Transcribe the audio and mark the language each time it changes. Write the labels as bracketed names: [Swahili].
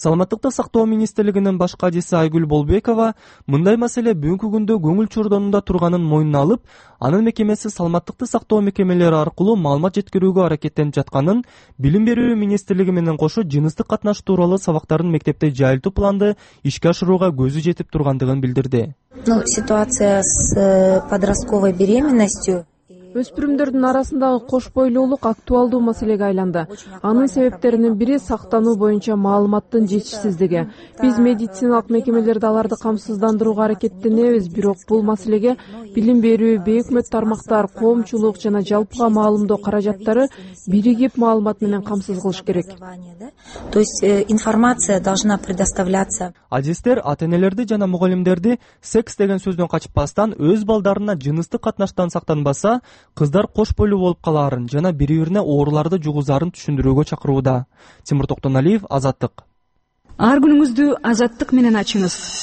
[Kyrgyz] Саламаттыкты сактоо министрлигинин башка адиси Айгүл Болбекова мындай маселе бүгүнкү күндө көңүл чордонунда турганын моюнуна алып, анын мекемеси саламаттыкты сактоо мекемелери аркылуу маалымат жеткирүүгө аракеттенип жатканын, билим берүү министрлиги менен кошо жыныстык катнаш тууралуу сабактарын мектепте жайылтуу планды ишке ашырууга көзү жетип тургандыгын билдирди. [Russian] Ну, ситуация с подростковой беременностью. [Kyrgyz] Өспүрүмдөрдүн арасындагы кош бойлуулук актуалдуу маселеге айланды. Анын себептеринин бири сактануу боюнча маалыматтын жетишсиздиги. Биз медициналык мекемелерде аларды камсыздандырууга аракеттенебиз, бирок бул маселеге билим берүү, бейөкмөт тармактар, коомчулук жана жалпыга маалымдоо каражаттары биригип маалымат менен камсыз кылыш керек. [Russian] То есть информация должна предоставляться. [Kyrgyz] Адистер ата-энелерди жана мугалимдерди секс деген сөздөн качпастан өз балдарына жыныстык катнаштан сактанбаса, кыздар кош бойлуу болуп калаарын жана бири бирине ооруларды жугузаарын түшүндүрүүгө чакырууда. Тимур Токтоналиев, Азаттык. Ар күнүңүздү Азаттык менен ачыңыз.